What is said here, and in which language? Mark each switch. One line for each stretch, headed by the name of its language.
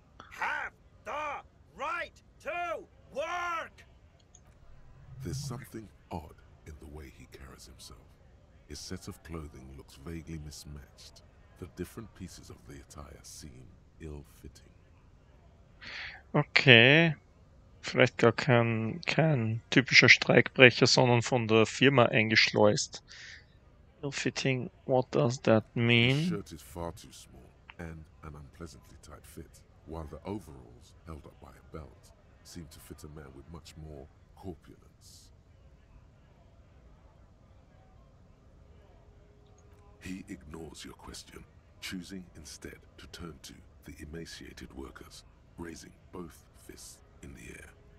English: have the right to work! There's something odd in the way he carries himself. His set of clothing looks vaguely mismatched. The different pieces of the attire seem ill-fitting. Okay.
German: Vielleicht gar kein typischer Streikbrecher, sondern von der Firma eingeschleust.
English: Ill-fitting, what does that mean? The shirt is far too small and an unpleasantly tight fit, while the overalls, held up by a belt, seem to fit a man with much more corpulence. He ignores your question, choosing instead to turn to the emaciated workers, raising both fists in the air.